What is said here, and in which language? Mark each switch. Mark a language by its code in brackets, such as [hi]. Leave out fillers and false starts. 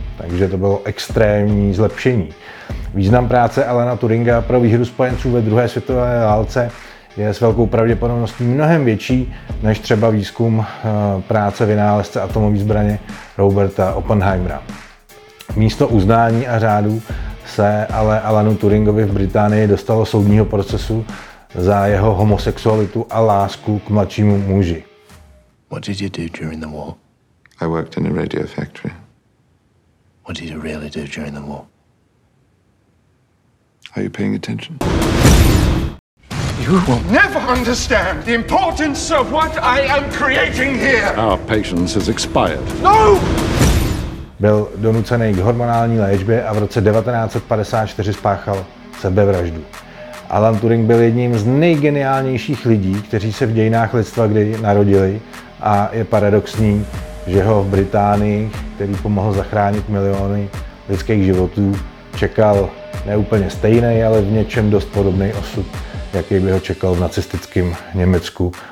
[cs] Takže to bylo extrémní zlepšení. Význam práce Alana Turinga pro výhru spojenců ve druhé světové válce je s velkou pravděpodobností mnohem větší než třeba výzkum práce vynálezce atomové zbraně Roberta Oppenheimera. Místo uznání a řádu se ale Alanu Turingovi v Británii dostalo soudního procesu za jeho homosexualitu a lásku k mladšímu muži. [en] What did you do during the war? I worked in a radio factory. What did you really do during the war? Are you paying attention? You will never understand the importance of what I am creating here. Our patience has expired. No! [cs] Byl donucený k hormonální léčbě a v roce 1954 spáchal sebevraždu. Alan Turing byl jedním z nejgeniálnějších lidí, kteří se v dějinách lidstva kdy narodili, a je paradoxní, že ho v Británii, který pomohl zachránit miliony lidských životů, čekal neúplně stejný, ale v něčem dost podobný osud, jaký by ho čekal v nacistickém Německu.